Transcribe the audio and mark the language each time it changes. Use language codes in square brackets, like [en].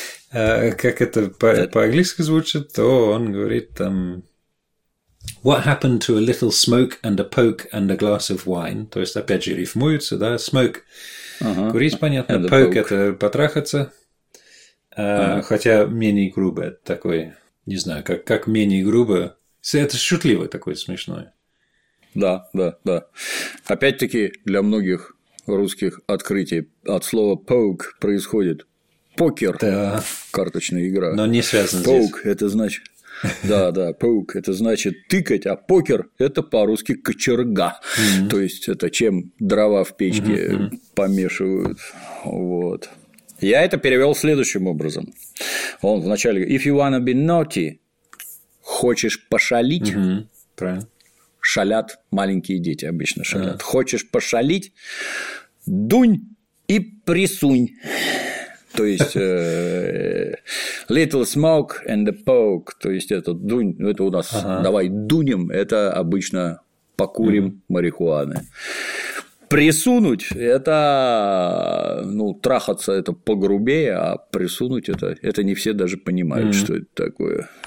[ru] Как это по-английски звучит, то он говорит там [en] «What happened to a little smoke and a poke and a glass of wine?» [ru] То есть опять же рифмуется, да? Smoke – курить, понятно. Poke – это потрахаться. Хотя менее грубо, это такой, не знаю, как менее грубо. Это шутливо такое, смешное. Да, да, да. Опять-таки, для многих русских открытий от слова poke происходит покер, карточная игра. Но не связано здесь. Poke – это значит… Да, да, poke – это значит тыкать, а покер – это по-русски кочерга. То есть, это чем дрова в печке помешивают. Вот. Я это перевел следующим образом. Он вначале говорит: [en] if you wanna be naughty, [ru] хочешь пошалить, правильно. Шалят маленькие дети обычно шалят. Хочешь пошалить, дунь и присунь. То есть [en] little smoke and a poke. [ru] То есть это дунь, это у нас давай дунем, это обычно покурим марихуаны. Присунуть – это, ну, трахаться – это погрубее, а присунуть – это не все даже понимают, что это такое.